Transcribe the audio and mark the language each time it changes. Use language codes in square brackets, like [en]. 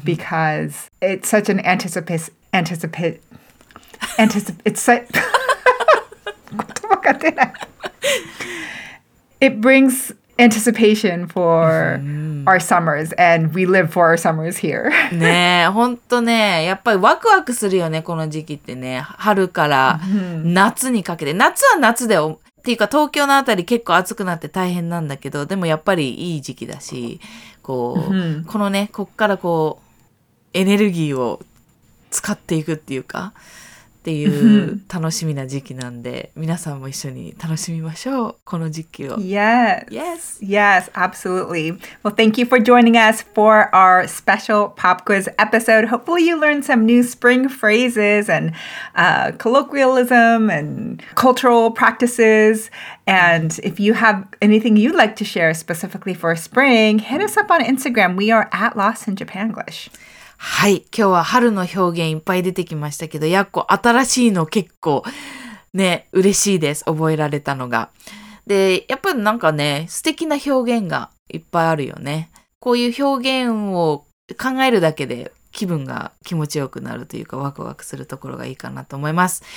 [en] because it's such an anticipate. It's such. [ja] 言葉が出ない。 [en] it brings anticipation for our summers, and we live for our summers here. [ja] ねえ、ほんとね、やっぱりワクワクするよね、この時期ってね。春から夏にかけて。夏は夏で、っていうか東京のあたり結構暑くなって大変なんだけど、でもやっぱりいい時期だし、こう、このね、こっからこう、エネルギーを使っていくっていうか、っていう楽しみな時期なんで、皆さんも一緒に楽しみましょう、この時期を。 [en] Yes, yes, absolutely. Well, thank you for joining us for our special pop quiz episode. Hopefully you learned some new spring phrases and colloquialism and cultural practices. And if you have anything you'd like to share specifically for spring, hit us up on Instagram. We are at Lost in Japanglish. [ja] はい、今日は春の表現いっぱい出てきましたけど、やっこ新しいの結構ね、嬉しいです、覚えられたのが。で、やっぱりなんかね、素敵な表現がいっぱいあるよね。こういう表現を考えるだけで気分が気持ちよくなるというか、ワクワクするところがいいかなと思います。